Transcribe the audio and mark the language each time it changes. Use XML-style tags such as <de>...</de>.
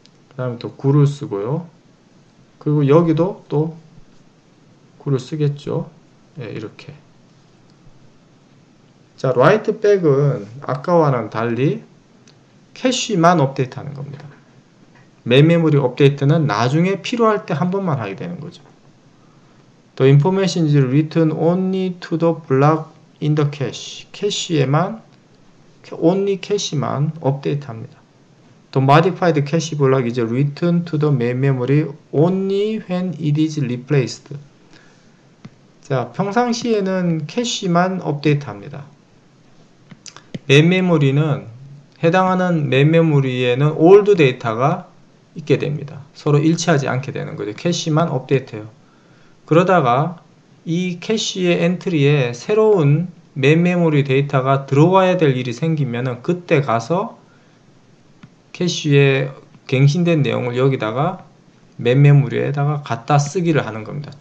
<ko>그 다음에 또 9를 쓰고요. 그리고 여기도 또 9를 쓰겠죠. 예, 이렇게. 자, 라이트 백은 아까와는 달리 캐시만 업데이트하는 겁니다. 메모리 업데이트는 나중에 필요할 때한 번만 하게 되는 거죠.</ko> <en>The information is written only to the block in the cache.</en> <ko>캐시에만, only 캐시만 업데이트합니다.</ko> <en>The modified cache block is written to the main memory only when it is replaced.</en> <ko>자, 평상시에는 캐시만 업데이트합니다. 메인 메모리는 해당하는 메인 메모리에는 올드 데이터가 있게 됩니다. 서로 일치하지 않게 되는 거죠. 캐시만 업데이트해요. 그러다가 이 캐시의 엔트리에 새로운 메인 메모리 데이터가 들어와야 될 일이 생기면은 그때 가서 캐시에 갱신된 내용을 여기다가 메인 메모리에다가 갖다 쓰기를 하는 겁니다.</ko>